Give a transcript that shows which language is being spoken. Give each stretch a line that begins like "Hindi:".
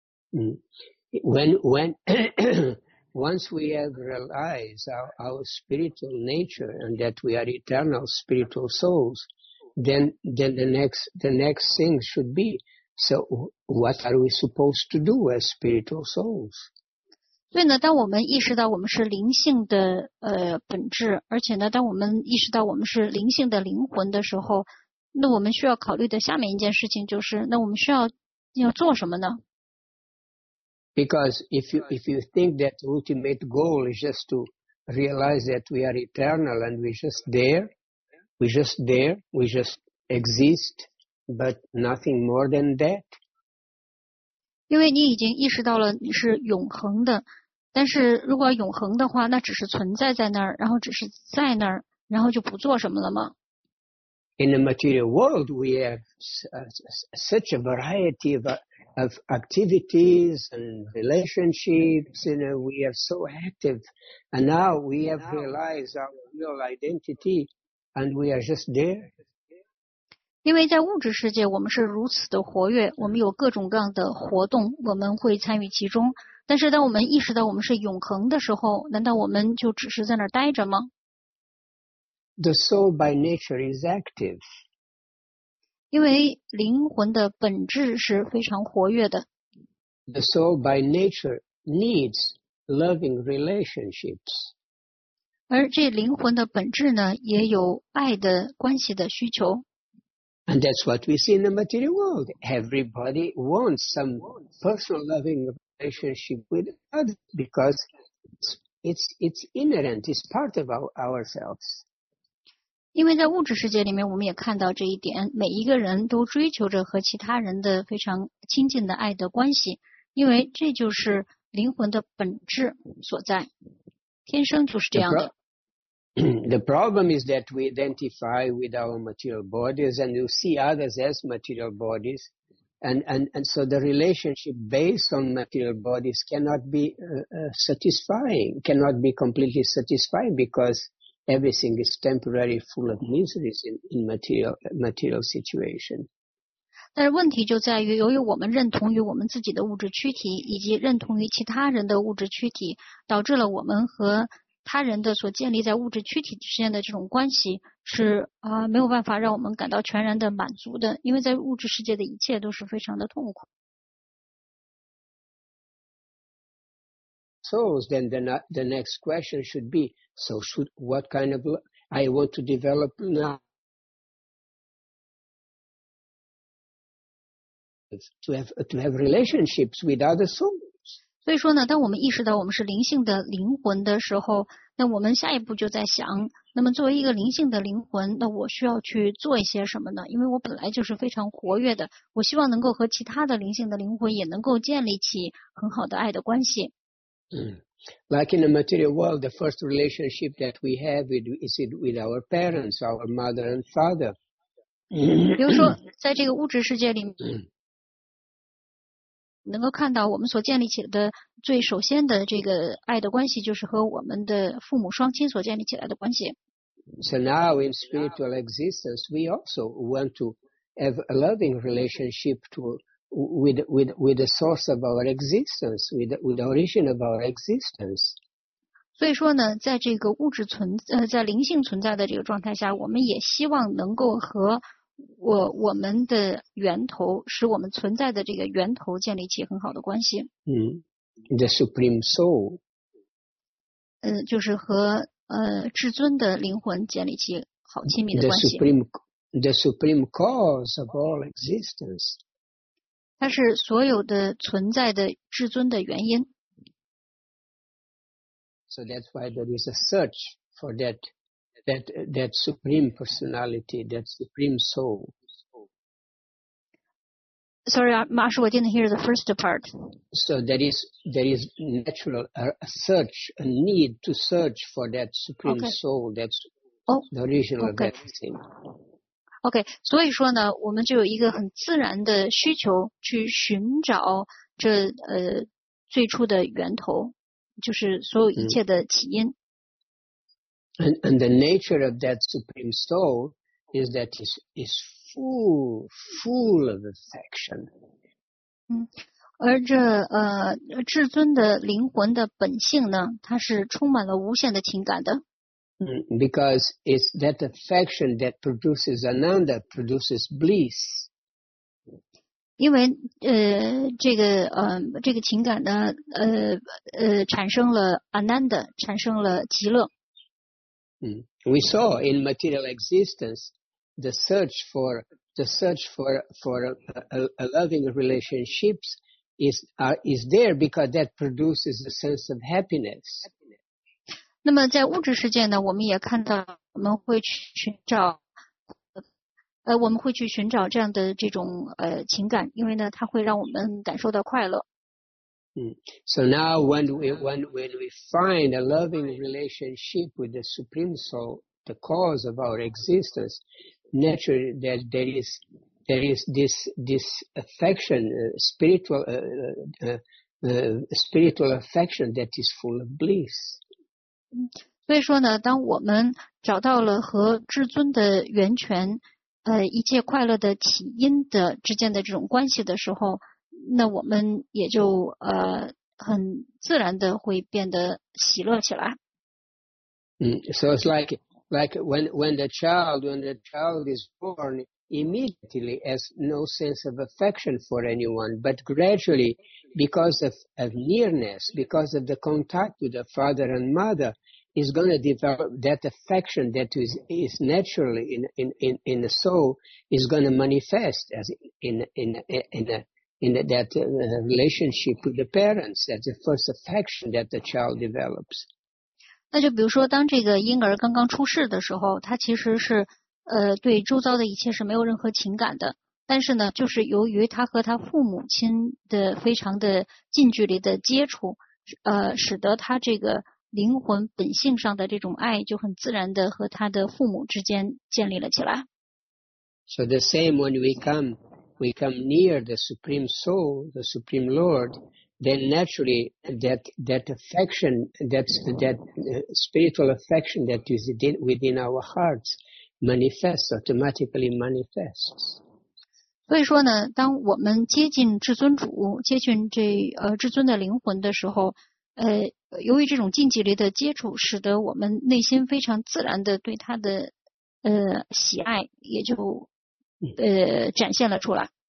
English: When once we have realized our spiritual nature and that we are eternal spiritual souls, then the next thing should be,So what are we supposed to do as spiritual souls?
Chinese: 所以呢，当我们意识到我们是灵性的本质，而且呢，当我们意识到我们是灵性的灵魂的时候，那我们需要考虑的下面一件事情就是，那我们需要做什么呢
English: ？Because if you think that the ultimate goal is just to realize that we are eternal and we just there, we just exist, but nothing more than that.
Chinese: 因为你已经意识到了你是永恒的，但是如果永恒的话，那只是存在在那儿，然后只是在那儿，然后就不做什么了吗
English: ？In the material world, we have such a variety of activities and relationships. You know, we are so active, and now we have realized our real identity, and we are just there.
Chinese: 因为在物质世界我们是如此的活跃，我们有各种各样的活动，我们会参与其中，但是当我们意识到我们是永恒的时候，难道我们就只是在那儿待着吗？
English: The soul by nature is active.
Chinese: 因为灵魂的本质是非常活跃的。
English: The soul by nature needs loving relationships.
Chinese: 而这灵魂的本质呢，也有爱的关系的需求。
English: And that's what we see in the material world. Everybody wants some personal loving relationship with others because it's inherent, it's part of ourselves.
Chinese: 因为在物质世界里面，我们也看到这一点，每一个人都追求着和其他人的非常亲近的爱的关系，因为这就是灵魂的本质所在，天生就是这样的。
English: The problem is that we identify with our material bodies and we see others as material bodies. And so the relationship based on material bodies cannot be satisfying, cannot be completely satisfying because everything is temporary, full of miseries in material situation.
Chinese: 但是问题就在于，由于我们认同于我们自己的物质躯体以及认同于其他人的物质躯体，导致了我们和他人的所建立在物质躯体之间的这种关系是没有办法让我们感到全然的满足的，因为在物质世界的一切都是非常的痛苦。
English: So then the next question should be, so should what kind of I want to develop now to have relationships with other souls?
Chinese: 所以说呢，当我们意识到我们是灵性的灵魂的时候，那我们下一步就在想，那么作为一个灵性的灵魂，那我需要去做一些什么呢？因为我本来就是非常活跃的，我希望能够和其他的灵性的灵魂也能够建立起很好的爱的关系。
English: Like in the material world, the first relationship that we have is it with our parents, our mother and father.
Chinese: 比如说，在这个物质世界里面。能够看到我们所建立起的最首先的这个爱的关系就是和我们的父母双亲所建立起来的关系。
English: So now in spiritual existence, we also want to have a loving relationship with the source of our existence, with the origin of our existence.
Chinese: 所以说呢，在这个物质存在灵性存在的这个状态下，我们也希望能够和我们的源头，使我们存在的这个源头建立起很好的关系。
English: The Supreme Soul.
Chinese: 就是和至尊的灵魂建立起好亲密的关系。
English: The supreme cause of all existence.
Chinese: 它是所有的存在的至尊的原因。
English: So that's why there is a search for that. That supreme personality, that supreme soul. Sorry, Marsh, I didn't hear the first part. So there is natural a search, a need to search for that supreme soul, that's the original thing.
Chinese: Okay, 所以说呢，我们就有一个很自然的需求去寻找这最初的源头，就是所有一切的起因。
English: And the nature of that supreme soul is that it's full of affection.
Chinese: 而这至尊的灵魂的本性呢，它是充满了无限的情感的。
English: Because it's that affection that produces ananda, produces bliss.
Chinese: 因为这个情感呢产生了 ananda， 产生了极乐。
English: We saw in material existence the search for a loving relationships is there because that produces a sense of happiness。
Chinese: 那么在物质世界呢，我们也看到我们会去寻找。我们会去寻找这样的这种情感，因为呢它会让我们感受到快乐。
English: So now when we find a loving relationship with the Supreme Soul, the cause of our existence, naturally there is this spiritual affection that is full of bliss.
Chinese: 所以说呢，当我们找到了和至尊的源泉一切快乐的起因的之间的这种关系的时候，那我们也就很自然的会变得喜乐起来。
English: So it's like when the child is born, immediately has no sense of affection for anyone, but gradually because of nearness, because of the contact with the father and mother,is going to develop that affection that is naturally in the soul is going to manifest as in that relationship with the parents. That's the first affection that the child develops.
Chinese: 那就比如说当这个婴儿刚刚出世的时候，他其实是对周遭的一切是没有任何情感的，但是呢就是由于他和他父母亲的非常的近距离的接触，使得他这个灵魂本性上的这种爱就很自然的和他的父母之间建立了起来。
English: So the same when we come near the Supreme Soul, the Supreme Lord, then naturally that spiritual affection that is within our hearts manifests, automatically manifests.
Chinese: 所以说呢，当我们接近至尊主，接近这至尊的灵魂的时候，由于这种近距离的接触，使得我们内心非常自然的对他的喜爱也就展现了出来。